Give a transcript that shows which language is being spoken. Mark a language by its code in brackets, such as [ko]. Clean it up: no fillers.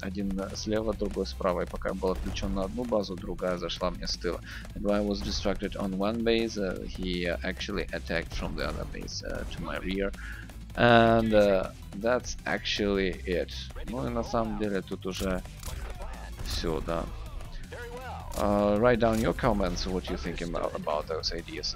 [ru] Один слева, другой справа. И пока я был отключен на одну базу, другая зашла мне с тыла. [en] And while I was distracted on one base, he actually attacked from the other base to my rear. And that's actually it. [ru] Ну и на самом деле тут уже все, да. [en] Write down your comments, what you think about those ideas.